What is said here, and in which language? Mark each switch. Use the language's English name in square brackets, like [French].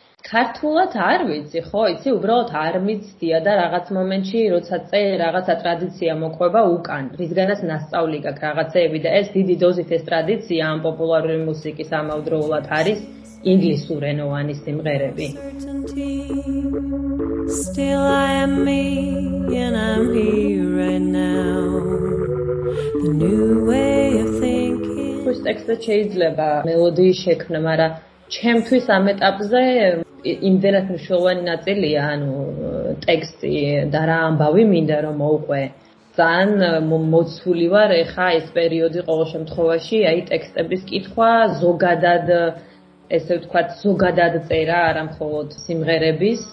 [Georgian] ქართულად არ ვიცი, ხო, იცი, უბრალოდ არ მიცდია და რაღაც მომენტში როცა წე რაღაცა ტრადიცია მოყვება უკან, რისგანაც ნასწავლი გაქვს რაღაცეები და ეს დიდი დოზით ეს ტრადიცია ამ პოპულარული მუსიკის ამავდროულად არის ინგლისურ ენოვანი სიმღერები. [English] Still I am me and I'm here right now. The new way of thinking. [Georgian] ხო, ტექსტი შეიძლება მელოდიის შექმნა, მაგრამ ჩემთვის ამ ეტაპზე იმდენად მნიშვნელოვანი ნაწილია, ანუ ტექსტი და რა ამბავი მინდა რომ მოუყვე. ძალიან მოცული ვარ ეხა ეს პერიოდი ყოველ შემთხვევაში, აი ტექსტების კითხვა ზოგადად, ესე ვთქვათ, ზოგადად წერა, არა მხოლოდ სიმღერების.